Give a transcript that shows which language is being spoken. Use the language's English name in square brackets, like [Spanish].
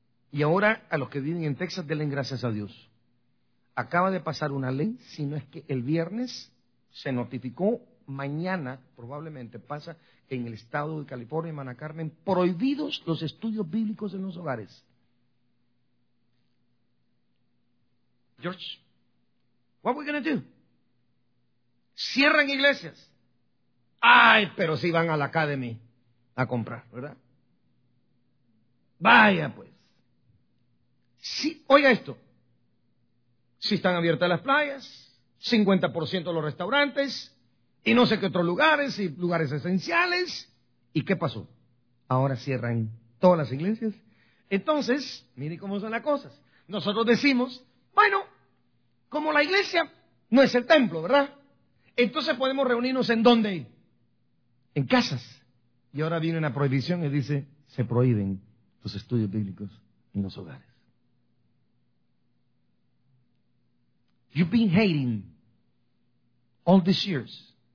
[Spanish] Y ahora a los que viven en Texas, denle gracias a Dios. Acaba de pasar una ley, si no es que el viernes se notificó, mañana probablemente pasa en el estado de California, Mana Carmen, prohibidos los estudios bíblicos en los hogares. [English] George, what are we going to do? [Spanish] Cierran iglesias. Ay, pero si van a la Academy a comprar, ¿verdad? Vaya pues. Sí, oiga esto. Si están abiertas las playas, 50% de los restaurantes, y no sé qué otros lugares, y lugares esenciales. ¿Y qué pasó? Ahora cierran todas las iglesias. Entonces, mire cómo son las cosas. Nosotros decimos, bueno, como la iglesia no es el templo, ¿verdad? Entonces podemos reunirnos ¿en dónde? En casas. Y ahora viene una prohibición y dice, se prohíben los estudios bíblicos en los hogares. [English] You've been hating all these years.